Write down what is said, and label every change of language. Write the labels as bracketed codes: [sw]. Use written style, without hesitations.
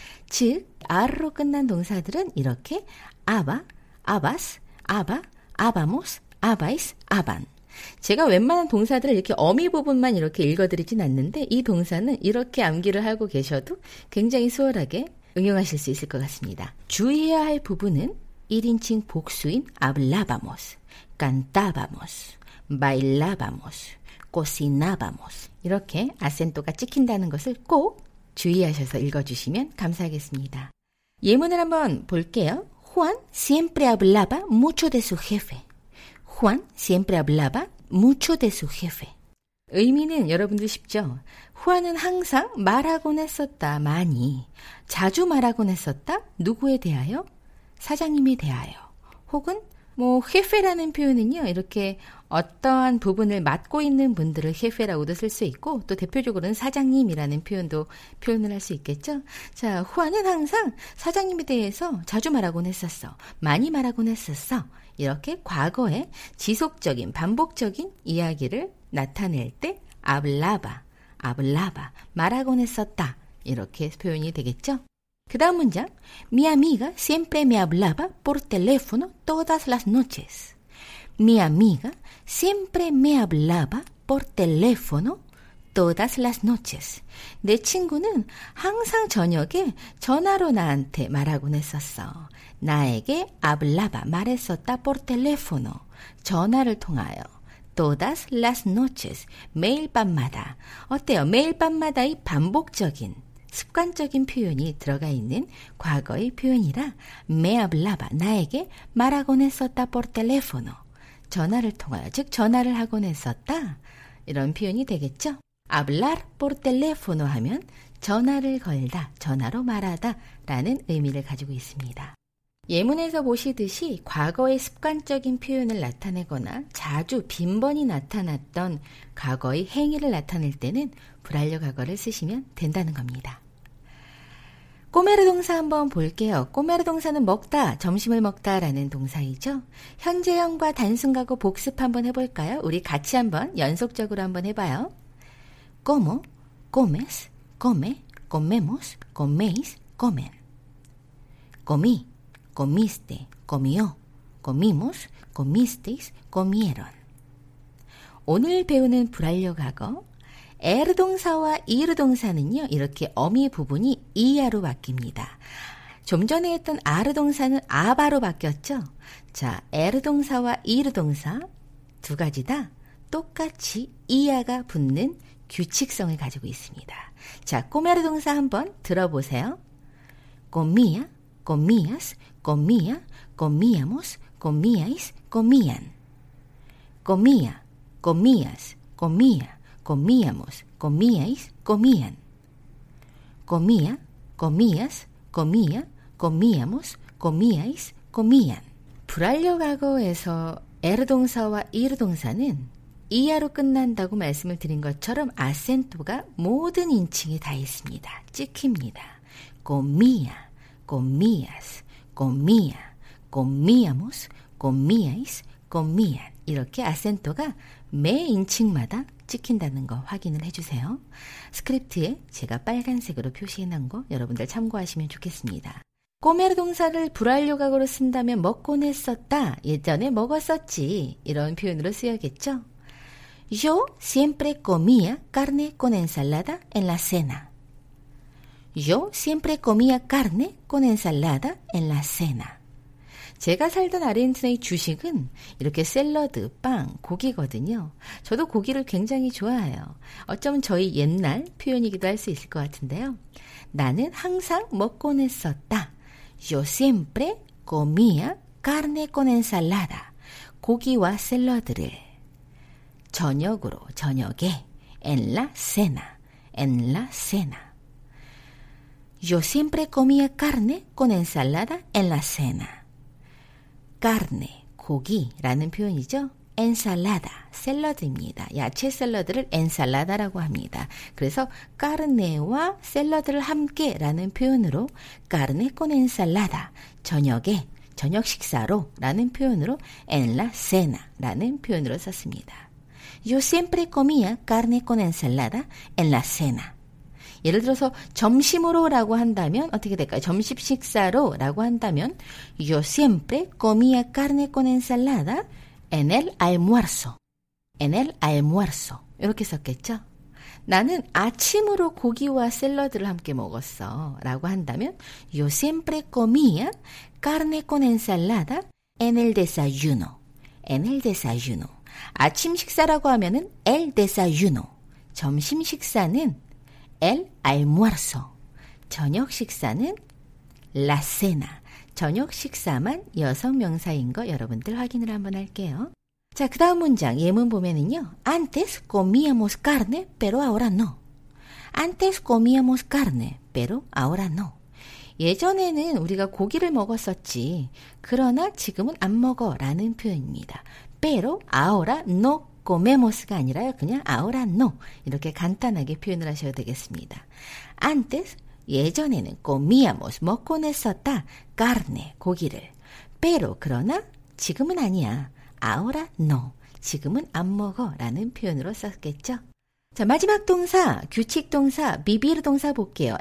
[ko] 즉, ar로 끝난 동사들은 이렇게 [es] aba, abas, aba, abamos, abais, aban. [ko] 제가 웬만한 동사들을 이렇게 어미 부분만 이렇게 읽어드리진 않는데 이 동사는 이렇게 암기를 하고 계셔도 굉장히 수월하게 응용하실 수 있을 것 같습니다. 주의해야 할 부분은 1인칭 복수인 [es] hablábamos, cantábamos, bailábamos, cocinábamos [ko] 이렇게 아센토가 찍힌다는 것을 꼭 주의하셔서 읽어주시면 감사하겠습니다. 예문을 한번 볼게요. [es] Juan siempre hablaba mucho de su jefe. Juan siempre hablaba mucho de su jefe. [ko] 의미는 여러분들 쉽죠? 후안은 항상 말하곤 했었다, 많이. 자주 말하곤 했었다, 누구에 대하여? 사장님에 대하여. 혹은 뭐 헤페라는 표현은요, 이렇게 어떠한 부분을 맡고 있는 분들을 헤페라고도 쓸 수 있고 또 대표적으로는 사장님이라는 표현도 표현을 할 수 있겠죠. 자, 후안은 항상 사장님에 대해서 자주 말하곤 했었어, 많이 말하곤 했었어. 이렇게 과거에 지속적인 반복적인 이야기를 나타낼 때 [es] hablaba, hablaba, [ko] 말하곤 했었다 이렇게 표현이 되겠죠. 그 다음 문장, [es] mi amiga siempre me hablaba por teléfono todas las noches. Mi amiga siempre me hablaba por teléfono todas las noches. [ko] 내 친구는 항상 저녁에 전화로 나한테 말하곤 했었어. 나에게 [es] hablaba, [ko] 말했었다, [es] por teléfono, [ko] 전화를 통하여. [es] Todas las noches, [ko] 매일 밤마다. 어때요? 매일 밤마다의 반복적인 습관적인 표현이 들어가 있는 과거의 표현이라 [es] me hablaba, [ko] 나에게 말하곤 했었다, [es] por teléfono, [ko] 전화를 통하여, 즉 전화를 하곤 했었다, 이런 표현이 되겠죠. [es] hablar por teléfono [ko] 하면 전화를 걸다, 전화로 말하다 라는 의미를 가지고 있습니다. 예문에서 보시듯이 과거의 습관적인 표현을 나타내거나 자주 빈번히 나타났던 과거의 행위를 나타낼 때는 불완료 과거를 쓰시면 된다는 겁니다. 꼬메르 동사 한번 볼게요. 꼬메르 동사는 먹다, 점심을 먹다 라는 동사이죠. 현재형과 단순과거 복습 한번 해볼까요? 우리 같이 한번 연속적으로 한번 해봐요. [es] Como, comes, come, comemos, coméis, comen. Comí, comiste, comió, comimos, comisteis, comieron. [ko] 오늘 배우는 불완료 과거 er 동사와 ir 동사는요, 이렇게 어미 부분이 er로 바뀝니다. 좀 전에 했던 ar 동사는 aba로 바뀌었죠. 자, er 동사와 ir 동사 두 가지 다 똑같이 er가 붙는 규칙성을 가지고 있습니다. 자, 꼬메르 동사 한번 들어보세요. [es] Comía, comías, comía, comíamos, comíais, comían. Comía, comías, comía, comíamos, comíais, comían. Comía, comías, comía, comíamos, comíais, comían. [ko] 불완료 과거에서 er 동사와 ir 동사는 er로 끝난다고 말씀을 드린 것처럼 아센토가 모든 인칭에 다 있습니다. 찍힙니다. [es] Comía, comías, comía, comíamos, comíais, comían. [ko] 이렇게 아센토가 매 인칭마다 찍힌다는 거 확인을 해주세요. 스크립트에 제가 빨간색으로 표시해놓은 거 여러분들 참고하시면 좋겠습니다. 꼬메르 동사를 불완료 과거로 쓴다면 먹곤 했었다, 예전에 먹었었지, 이런 표현으로 쓰여겠죠. [es] Yo siempre comía carne con ensalada en la cena. Yo siempre comía carne con ensalada en la cena. [ko] 제가 살던 아르헨티나의 주식은 이렇게 샐러드, 빵, 고기거든요. 저도 고기를 굉장히 좋아해요. 어쩌면 저희 옛날 표현이기도 할 수 있을 것 같은데요. 나는 항상 먹곤 했었다. [es] Yo siempre comía carne con ensalada. [ko] 고기와 샐러드를 저녁으로, 저녁에. [es] En la cena, en la cena. Yo siempre comía carne con ensalada en la cena. [ko] carne, 고기라는 표현이죠. ensalada, 샐러드입니다. 야채 샐러드를 ensalada라고 합니다. 그래서 carne와 샐러드를 함께라는 표현으로 [es] carne con ensalada, [ko] 저녁에, 저녁 식사로 라는 표현으로 [es] en la cena [ko] 라는 표현으로 썼습니다. [es] Yo siempre comía carne con ensalada en la cena. [ko] 예를 들어서 점심으로라고 한다면 어떻게 될까요? 점심 식사로라고 한다면 [es] Yo siempre comía carne con ensalada en el almuerzo. En el almuerzo. [ko] 이렇게 썼겠죠? 나는 아침으로 고기와 샐러드를 함께 먹었어. 라고 한다면 [es] Yo siempre comía carne con ensalada en el desayuno. En el desayuno. [ko] 아침 식사라고 하면은 [es] el desayuno. [ko] 점심 식사는 [es] el almuerzo. [ko] 저녁 식사는 [es] la cena. [ko] 저녁 식사만 여성 명사인 거 여러분들 확인을 한번 할게요. 자, 그 다음 문장 예문 보면은요. [es] Antes comíamos carne, pero ahora no. Antes comíamos carne, pero ahora no. [ko] 예전에는 우리가 고기를 먹었었지. 그러나 지금은 안 먹어 라는 표현입니다. [es] Pero ahora no comemos [ko] 가 아니라요. 그냥 [es] ahora no. [ko] 이렇게 간단하게 표현을 하셔야 되겠습니다. [es] Antes, [ko] 예전에는 [es] comíamos, [ko] 먹곤 했었다. [es] Carne, [ko] 고기를. [es] Pero, [ko] 그러나 지금은 아니야. [es] Ahora no. [ko] 지금은 안 먹어 라는 표현으로 썼겠죠. 자, 마지막 동사, 규칙 동사, 비비르 동사 볼게요.